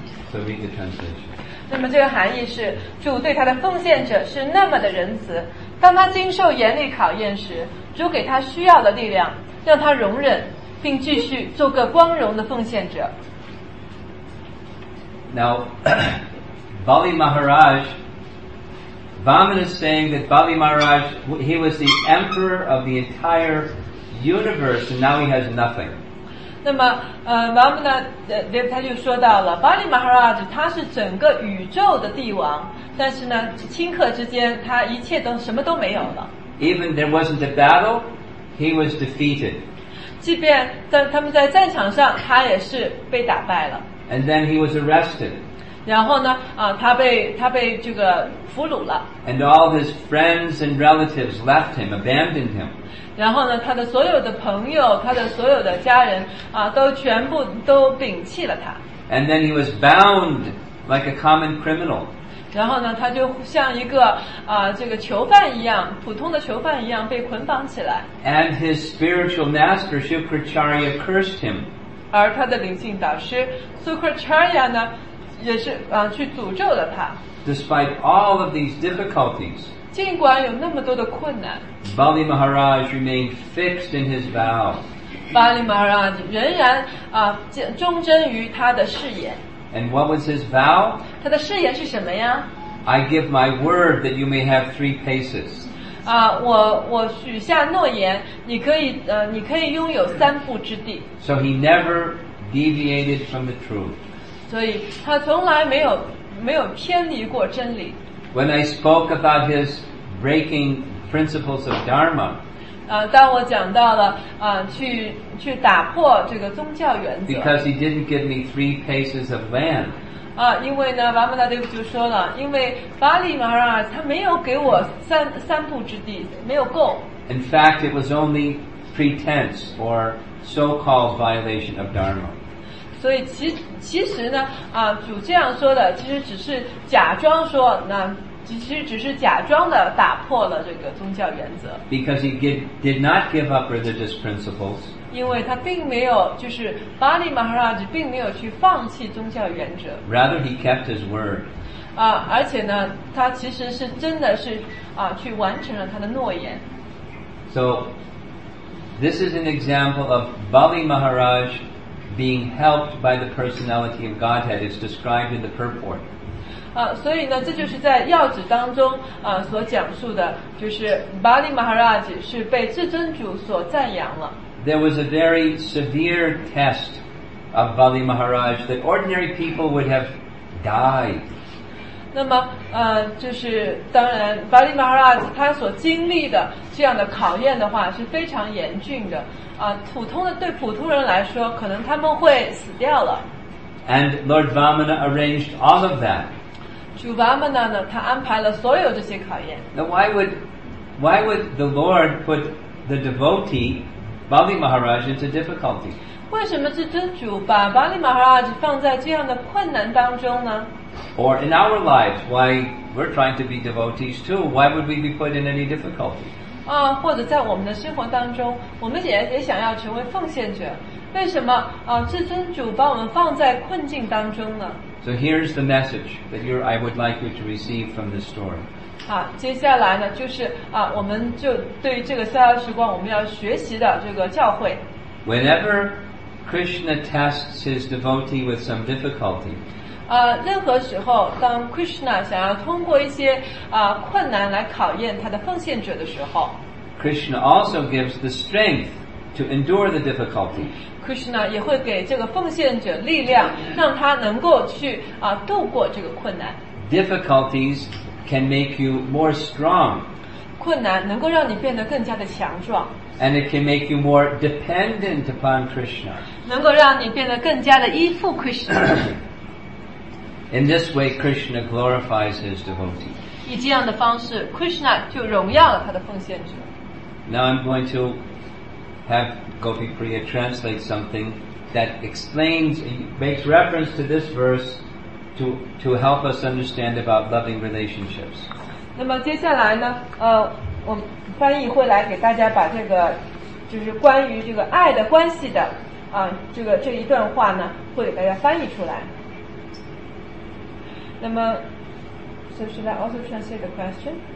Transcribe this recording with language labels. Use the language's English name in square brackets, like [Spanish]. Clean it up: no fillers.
[English] So read the translation. [Chinese] 那么这个含义是，主对他的奉献者是那么的仁慈，当他经受严厉考验时，主给他需要的力量，让他容忍，并继续做个光荣的奉献者。 [English] Now, Bali Maharaj, Vamana is saying that Bali Maharaj, he was the emperor of the entire universe, and now he has nothing. [Chinese] 那么Vamana, 他就说到了 Bali Maharaj, 他是整个宇宙的帝王，但是呢，顷刻之间，他一切都什么都没有了。 [English] Even there wasn't a battle, he was defeated. [Chinese] 即便在他们在战场上，他也是被打败了。 [English] And then he was arrested. [Chinese] 然后呢，他被这个俘虏了。 [English] And all his friends and relatives left him, abandoned him. [Chinese] 然后呢，他的所有的朋友，他的所有的家人啊，都全部都摒弃了他。 [English] And then he was bound like a common criminal. [Chinese] 然后呢，他就像一个这个囚犯一样，普通的囚犯一样被捆绑起来。 [English] And his spiritual master Shukracharya cursed him. [Chinese] 而他的灵性导师 Shukracharya 呢，也是去诅咒了他。 [English] Despite all of these difficulties, [Chinese] 尽管有那么多的困难 [English] ，Bali Maharaj remained fixed in his vow. [Chinese] Bali Maharaj 仍然忠贞于他的誓言。 [English] And what was his vow? [Chinese] 他的誓言是什么呀 [English] ？I give my word that you may have three paces. [Chinese] 我许下诺言，你可以拥有三步之地。 [English] So he never deviated from the truth. [Chinese] 所以他从来没有偏离过真理。 [English] When I spoke about his breaking principles of dharma, [Chinese] 当我讲到了去打破这个宗教原则。 [English] Because he didn't give me three paces of land. [Chinese] 因为呢，瓦姆达德就说了，因为巴利马拉他没有给我三步之地，没有够。 [English] In fact, it was only pretense or so-called violation of dharma. [Chinese] 所以其实呢，主这样说的，其实只是假装说，那其实只是假装的打破了这个宗教原则。 [English] Because he did not give up religious principles. [Chinese] 因为他并没有，就是巴利马哈拉吉并没有去放弃宗教原则。 [English] Rather, he kept his word. [Chinese] 而且呢，他其实是真的是去完成了他的诺言。 [English] So. This is an example of Bali Maharaj being helped by the personality of Godhead. It's described in the purport. [Chinese] 所以呢，这就是在要旨当中所讲述的，就是 Bali Maharaj 是被至尊主所赞扬了。 [English] There was a very severe test of Bali Maharaj that ordinary people would have died. [Chinese] 那么就是当然 Bali Maharaj 他所经历的这样的考验的话是非常严峻的普通的对普通人来说可能他们会死掉了 [English] And Lord Vamana arranged all of that [Chinese] 主 Vamana 呢他安排了所有这些考验 [English] Now why would the Lord put the devotee Bali Maharaj into difficulty [Chinese] 为什么至尊主把 Bali Maharaj 放在这样的困难当中呢 [English] Or in our lives why we're trying to be devotees too why would we be put in any difficulty [Chinese] 或者在我们的生活当中我们也想要成为奉献者为什么至尊主把我们放在困境当中呢 [English] So here's the message that I would like you to receive from this story [Chinese] 接下来呢就是我们就对这个逍遥时光我们要学习的这个教诲 [English] Whenever Krishna tests his devotee with some difficulty [Chinese] 任何时候当 Krishna 想要通过一些困难来考验他的奉献者的时候 [English] Krishna also gives the strength to endure the difficulty [Chinese] Krishna 也会给这个奉献者力量让他能够去度过这个困难 [English] Difficulties can make you more strong [Chinese] 困难能够让你变得更加的强壮 [English] And it can make you more dependent upon Krishna [Chinese] 能够让你变得更加的依附 Krishna [English] In this way, Krishna glorifies his devotee. [Chinese] 以这样的方式 ，Krishna 就荣耀了他的奉献者。 [English] Now I'm going to have Gopi Priya translate something that explains, makes reference to this verse to help us understand about loving relationships. [Chinese] 那么接下来呢，我翻译会来给大家把这个，就是关于这个爱的关系的，这一段话呢，会给大家翻译出来。 [English] 那么 ，so should I also translate the question?